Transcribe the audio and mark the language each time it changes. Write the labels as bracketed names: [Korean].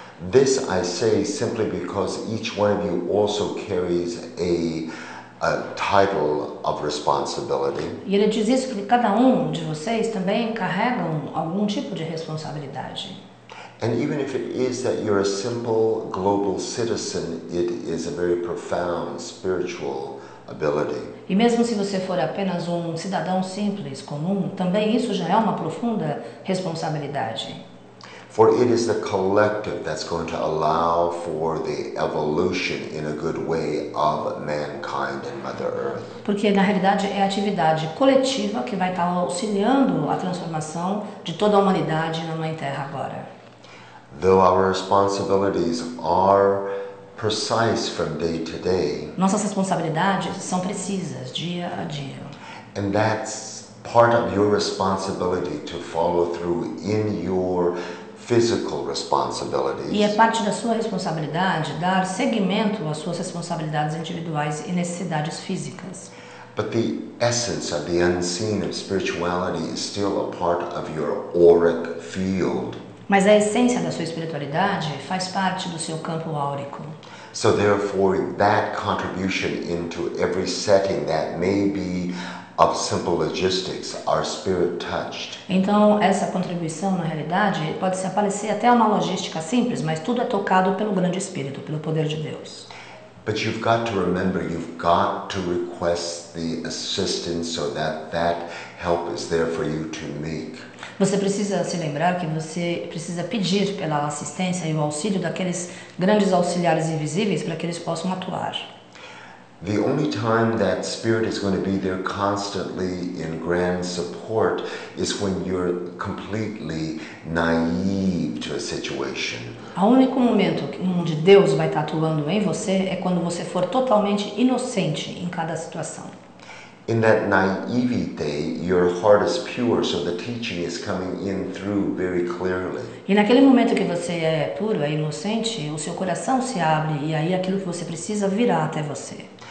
[English] This I say simply because each one of you also carries a title of responsibility. [Portuguese] E ele diz isso porque cada de vocês também carregam algum tipo de responsabilidade. [English] And even if it is that you're a simple global citizen, it is a very profound spiritual ability. [Portuguese] E mesmo se você for apenas cidadão simples, comum, também isso já é uma profunda responsabilidade. [English] For it is the collective that's going to allow for the evolution in a good way of mankind and Mother Earth. [Portuguese] Porque na realidade é a atividade coletiva que vai estar auxiliando a transformação de toda a humanidade na Mãe Terra agora. [English] Though our responsibilities are precise from day to day. [Portuguese] Nossas responsabilidades são precisas dia a dia. [English] And that's part of your responsibility to follow through in your physical responsibilities. [Portuguese] E é parte da sua responsabilidade dar seguimento às suas responsabilidades individuais e necessidades físicas. [English] But the essence of the unseen of spirituality is still a part of your auric field. [Portuguese] Mas a essência da sua espiritualidade faz parte do seu campo áurico. [English] So therefore, that contribution into every setting that may be of simple logistics, our spirit touched. [Portuguese] Então, essa contribuição na realidade pode se aparecer até uma logística simples, mas tudo é tocado pelo grande espírito, pelo poder de Deus. [English] But you've got to remember, you've got to request the assistance so that that help is there for you to make. [Portuguese] Você precisa se lembrar que você precisa pedir pela assistência e o auxílio daqueles grandes auxiliares invisíveis para que eles possam atuar. [English] The only time that spirit is going to be there constantly in grand support is when you're completely naive to a situation. [Portuguese] O único momento onde Deus vai estar atuando em você é quando você for totalmente inocente em cada situação. [English] In that naivete, your heart is pure, so the teaching is coming in through very clearly. [Portuguese] E naquele momento que você é puro, é inocente, o seu coração se abre e aí aquilo que você precisa virá até você.